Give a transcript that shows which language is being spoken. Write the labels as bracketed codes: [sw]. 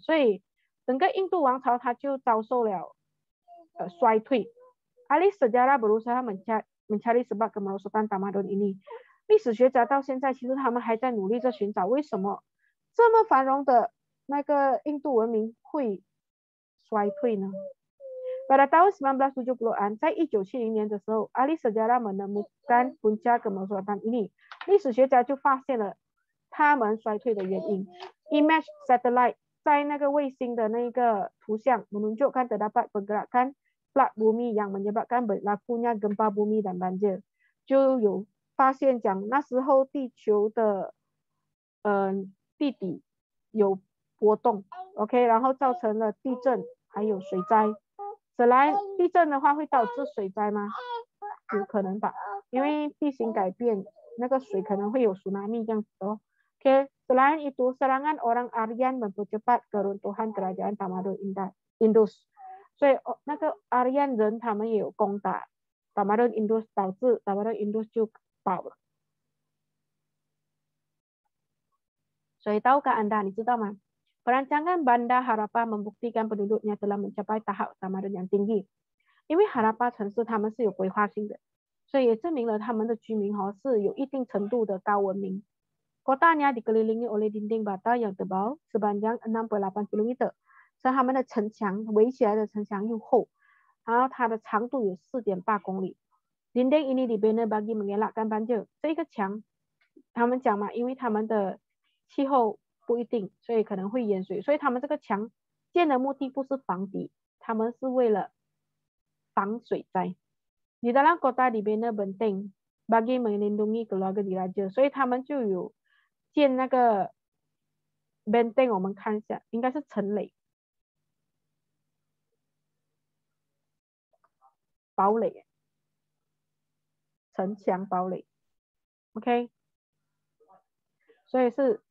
[ms] Jadi, sehingga Indus Wangcao dia juga [zh] 遭受了衰退. [ms] Ahli sejarah berusaha mencari sebab kemerosotan Tamadun ini. [zh] 历史学家到现在其实他们还在努力着寻找为什么这么繁荣的那个印度文明会衰退呢？ [ms] Pada tahun 1970-an, [zh] 在1970年的时候， [ms] ahli sejarah menemukan punca kemerosotan ini. [zh] 历史学家就发现了他们衰退的原因。 [ms] Image satellite [zh] 在那个卫星的那个图像 [ms] menunjukkan terdapat pergerakan plat bumi yang menyebabkan berlakunya gempa bumi dan banjir. [zh] 就有发现讲那时候地球的地底有波动 ，OK， 然后造成了地震还有水灾。本来地震的话会导致水灾吗？有可能吧，因为地形改变，那个水可能会有 tsunami 这样子哦。 OK， [ms] selain itu serangan orang Aryan mempercepat keruntuhan kerajaan Tamadun Indus， [zh] 所以那个 Aryan 人他们也有攻打 Tamadun Indus， 导致 Tamadun Indus 就爆了。所以 [ms] tahukah anda， [zh] 你知道吗？ [ms] Perancangan Bandar Harappa membuktikan penduduknya telah mencapai tahap tamadun yang tinggi. [zh] 因为 Harappa 城市他们是有规划性的，所以也证明了他们的居民哦是有一定程度的高文明。 [ms] Kotanya dikelilingi oleh dinding bata yang tebal sepanjang 68 kilometer. [zh] 所以他们的城墙围起来的城墙又厚，然后它的长度有 4.8 公里。 [ms] Dinding ini dibina bagi mengelakkan banjir. [zh] 这个墙，他们讲嘛，因为他们的气候不一定，所以可能会淹水，所以他们这个墙建的目的不是防堤，他们是为了防水灾。 [ms] Di dalam kota dibina benteng bagi melindungi keluarga diraja， [zh] 所以他们就有建那个 benteng， 我们看一下，应该是城垒，堡垒，城墙堡垒 ，OK， 所以是。